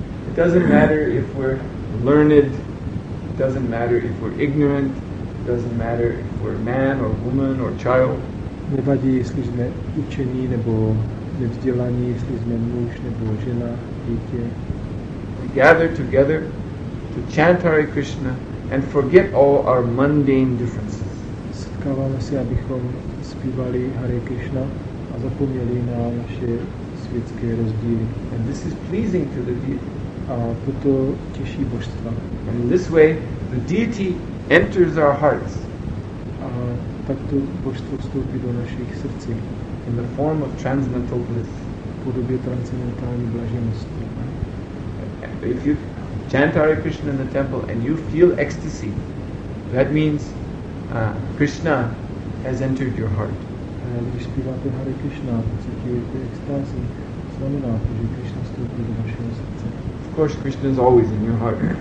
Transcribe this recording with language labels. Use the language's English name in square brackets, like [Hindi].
[English] It doesn't matter if we're learned, it doesn't matter if we're ignorant, it doesn't matter if we're man or woman or child. [Czech] Nevadí, jestli jsme učení nebo nevzdělaní, jestli jsme muž nebo žena, dítě. [English] We gather together to chant Hare Krishna and forget all our mundane differences. [Czech] Setkáváme se, abychom zpívali Hare Krishna a zapomněli na naše světské rozdíly. [English] And this is pleasing to the deity. [Czech] A toto těší božstva. [English] And in this way, the deity enters our hearts. [Czech] Tak to božstvo vstoupí do našich srdcí. [English] In the form of transcendental bliss. [Czech] V podobě transcendentální blaženosti. [English] If you chant Hare Krishna in the temple and you feel ecstasy, that means Krishna has entered your heart. [Czech] Když zpíváte Hare Krishna, pocitujete ecstasy, znamená to, že Krishna vstoupí do vašeho srdce. [English] Of course, Krishna is always in your heart.